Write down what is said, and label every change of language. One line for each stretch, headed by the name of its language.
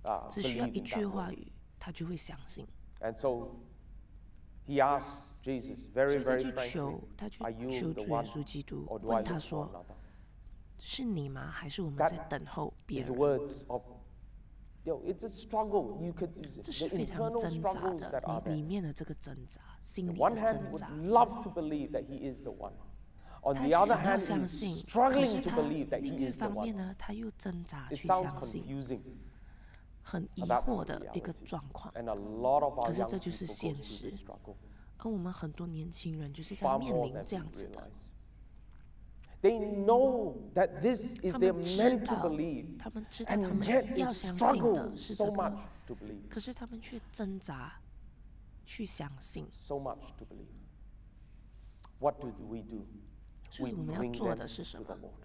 Chinese: 只需要一句话语，他就会相信。
English: And so he asked Jesus very very frankly, "Are you the one, or do I look for another?"
Chinese: 是你吗？还是我们在等候别人？
English: That is words of You know, it's a struggle. You can use it. The internal struggles that are there.
Chinese: 你里面的这个挣扎，心里的挣扎。
English: One hand would love to believe that he is the one. On the other hand, he's struggling to believe that he is the one.
Chinese: 另一方面呢，他又挣扎去相信。
English: It sounds confusing.
Chinese: 很疑惑的一个状况。
English: And a lot of our young people go through this struggle.
Chinese: 而我们很多年轻人就是在面临这样子的。
English: They know that this is their meant to believe, and yet struggle so much to believe.
Chinese: 可是他们却挣扎去相信。
English: So much to believe. What do we do?
Chinese: 所以我们要做的是什么？